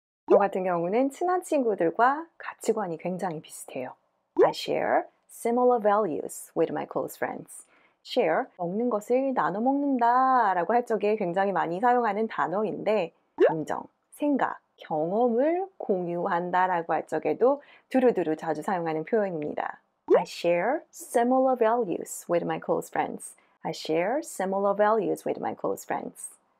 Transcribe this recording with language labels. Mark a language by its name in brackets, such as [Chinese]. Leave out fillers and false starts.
[Korean] 저 같은 경우는 친한 친구들과 가치관이 굉장히 비슷해요. [English] I share similar values with my close friends. [Korean] Share, 먹는 것을 나눠 먹는다라고 할 적에 굉장히 많이 사용하는 단어인데, 감정, 생각, 경험을 공유한다라고 할 적에도 두루두루 자주 사용하는 표현입니다. [English] I share similar values with my close friends. I share similar values with my close friends.